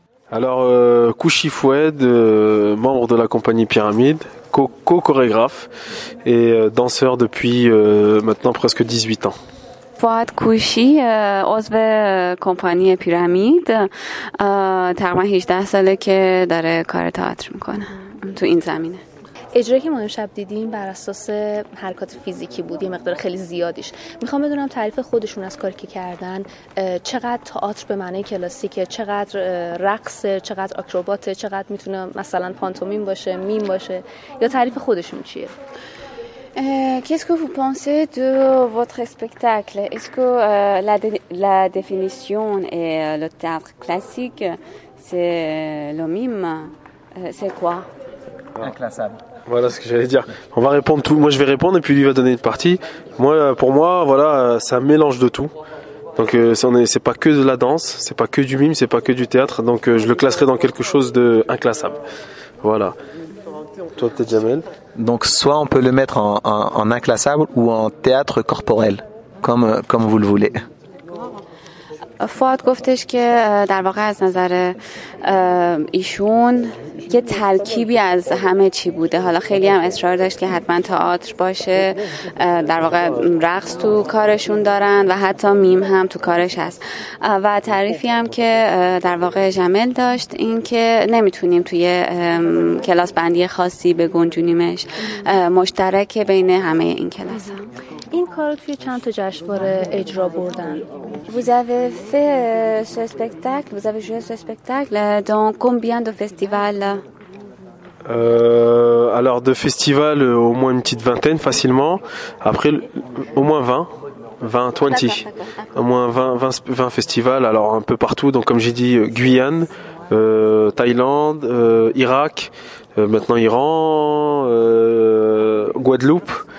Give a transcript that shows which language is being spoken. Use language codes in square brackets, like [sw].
[fr] Alors Kouchi Foued, membre de la compagnie Pyramide, co-chorégraphe et danseur depuis maintenant presque 18 ans. [fa] فواد کوشی عضو کمپانی پیرامید تقریبا 18 ساله که داره کار تئاتر میکنه تو این زمینه. اجرایی که ما امشب دیدیم بر اساس حرکات فیزیکی بود، یه مقدار خیلی زیادیش. میخوام بدونم تعریف خودشون از کاری که کردن چقدر تئاتر به معنی کلاسیکه، چقدر رقص، چقدر آکروباته، چقدر میتونه مثلا پانتومیم باشه، میم باشه، یا تعریف خودشون چیه؟ [fr] Qu'est-ce que vous pensez de votre spectacle? Est-ce que la définition est le théâtre classique, c'est le mime, c'est quoi? Inclassable. Voilà ce que j'allais dire. On va répondre tout. Moi, je vais répondre et puis lui va donner une partie. Moi, pour moi, voilà, c'est un mélange de tout. Donc, c'est pas que de la danse, c'est pas que du mime, c'est pas que du théâtre. Donc, je le classerai dans quelque chose d'inclassable. Voilà. Toi, peut-être Jamel. Donc, soit on peut le mettre en inclassable ou en théâtre corporel, comme vous le voulez. [fa] فواد گفتش که در واقع از نظر ایشون یه ترکیبی از همه چی بوده. حالا خیلی هم اصرار داشت که حتما تئاتر باشه، در واقع رقص تو کارشون دارن و حتی میم هم تو کارش هست. و تعریفی هم که در واقع جمل داشت این که نمیتونیم توی کلاس بندی خاصی بگنجونیمش، مشترک بین همه این کلاس ها. این کار توی چند تا جشنواره اجرا بردن؟ [fr] Vous avez fait ce spectacle, vous avez joué ce spectacle dans combien de festivals? Alors de festivals au moins une petite vingtaine facilement. Après au moins 20. D'accord. Au moins 20 festivals, alors un peu partout, donc comme j'ai dit Guyane, Thaïlande, Irak, maintenant Iran, Guadeloupe.